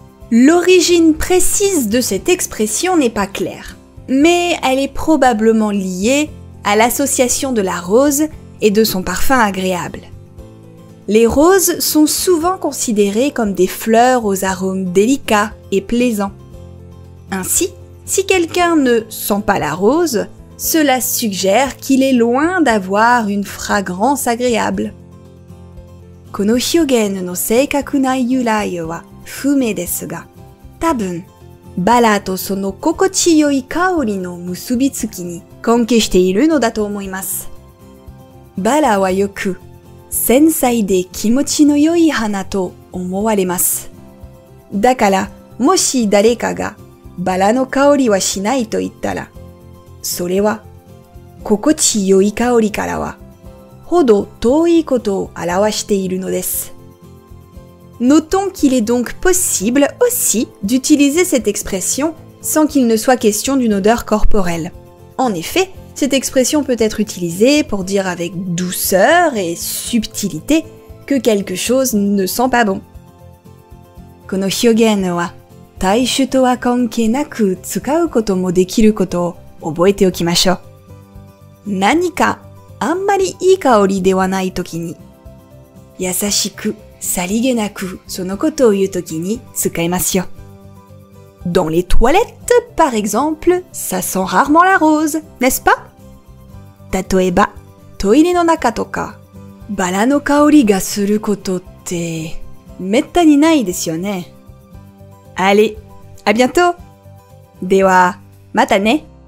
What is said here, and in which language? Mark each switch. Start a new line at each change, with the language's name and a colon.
French: L'origine précise de cette expression n'est pas claire, mais elle est probablement liée à l'association de la rose et de son parfum agréable. Les roses sont souvent considérées comme des fleurs aux arômes délicats. Et plaisant. Ainsi, si quelqu'un ne sent pas la rose, cela suggère qu'il est loin d'avoir une fragrance agréable.
Japanese: この表現の正確な由来は不明ですが、多分、バラとその心地よい香りの結びつきに関係しているのだと思います。バラはよく、繊細で気持ちの良い花と思われます。だから、もし誰かがバラの香りはしないと言ったら、それは心地よい香りからはほど遠いことを表しているのです。
French: Notons qu'il est donc possible aussi d'utiliser cette expression sans qu'il ne soit question d'une odeur corporelle. En effet, cette expression peut être utilisée pour dire avec douceur et subtilité que quelque chose ne sent pas bon.
Japanese: この表現は体臭とは関係なく使うこともできることを覚えておきましょう。何かあんまりいい香りではないときに、優しく、さりげなく、そのことを言うときに使いますよ。
French: Dans les toilettes, par exemple, ça sent rarement la rose, n'est-ce pas?
Japanese: 例えば、トイレの中とか、バラの香りがすることって、めったにないですよね。
French: Allez, à bientôt!
Japanese: では、またね。